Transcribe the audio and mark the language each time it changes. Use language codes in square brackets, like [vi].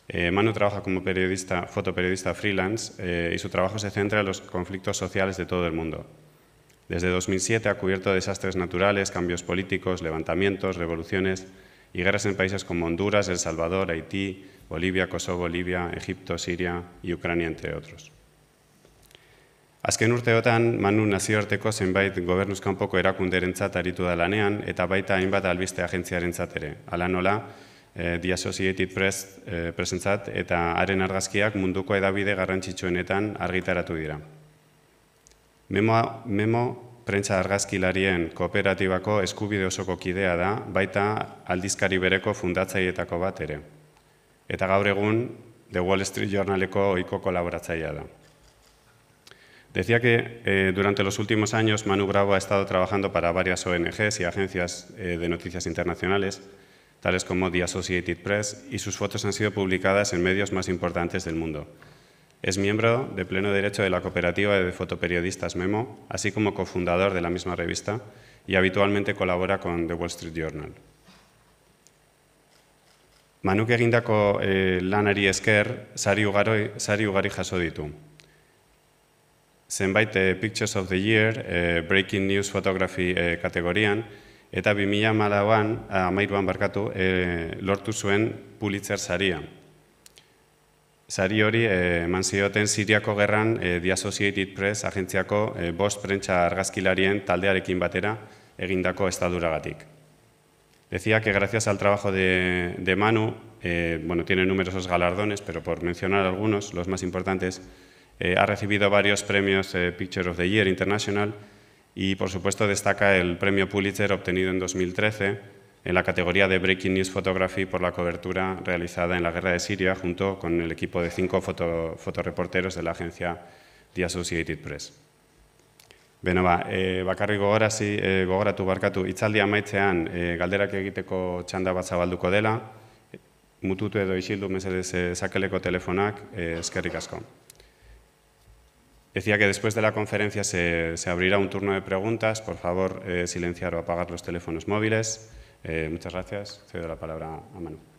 [es] Manu trabaja como periodista, fotoperiodista freelance y su trabajo se centra en los conflictos sociales de todo el mundo. Desde 2007 ha cubierto desastres naturales, cambios políticos, levantamientos, revoluciones y guerras en países como Honduras, El Salvador, Haití, Bolivia, Kosovo, Libia, Egipto, Siria y Ucrania, entre otros. [eu] Azken urteotan, Manu nazioarteko zenbait gobernuzkanpoko erakunderentzat aritu da lanean eta baita hainbat albiste agentziarentzat ere. Hala nola, The Associated Press presentzat eta haren argazkiak munduko hedabide garrantzitsuenetan argitaratu dira. Memo prentsa argazkilarien kooperatibako eskubide osoko kidea da, baita aldizkari bereko fundatzaileetako bat ere. Eta gaur egun, The Wall Street Journaleko ohiko kolaboratzailea da. [es] Decía que durante los últimos años Manu Bravo ha estado trabajando para varias ONGs y agencias de noticias internacionales, tales como The Associated Press, y sus fotos han sido publicadas en medios más importantes del mundo. Es miembro de pleno derecho de la cooperativa de fotoperiodistas Memo, así como cofundador de la misma revista, y habitualmente colabora con The Wall Street Journal. [eu] Manuk egindako lanari esker, sari ugari jaso ditu. Zenbait Pictures of the Year, Breaking News Photography kategorian, eta 2013an barkatu, lortu zuen Pulitzer saria. Sari hori eman zioten Siriako gerran The Associated Press agentziako bost prentsa argazkilarien taldearekin batera egindako estaduragatik. [es] Decía que gracias al trabajo de Manu, bueno, tiene numerosos galardones, pero por mencionar algunos, los más importantes, ha recibido varios premios Picture of the Year International y, por supuesto, destaca el premio Pulitzer obtenido en 2013 en la categoría de Breaking News Photography por la cobertura realizada en la guerra de Siria junto con el equipo de 5 fotoreporteros de la agencia The Associated Press. [eu] Beno, bakarri gogoratu barkatu, itzaldi amaitzean galderak egiteko txanda bat zabalduko dela, mututu edo isildu mesedez sakeleko telefonak, eskerrik asko. [es] Decía que después de la conferencia se abrirá un turno de preguntas, por favor silenciar o apagar los teléfonos móviles. Muchas gracias. Cedo la palabra a Manu.